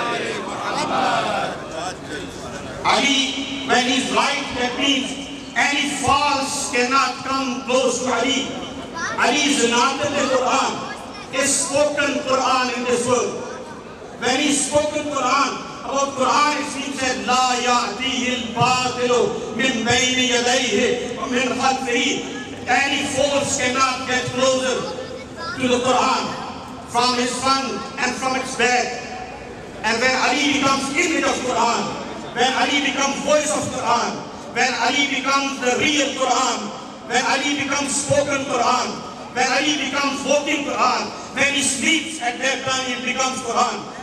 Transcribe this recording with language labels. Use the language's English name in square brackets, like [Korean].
[English] Ali, when he's right, that means any false cannot come close to Ali. Ali is not in the Quran, is spoken Quran in this world. When he's spoken Quran, about Quran is he said, [Arabic] لا يأتيه الباطل من بين يديه ومن خلفه. [English] Any force cannot get closer to the Quran from his front and from its back. And when Ali becomes image of Quran, when Ali becomes voice of Quran, when Ali becomes the real Quran, when Ali becomes spoken Quran, when Ali becomes walking Quran, when he sleeps at that time, it becomes Quran.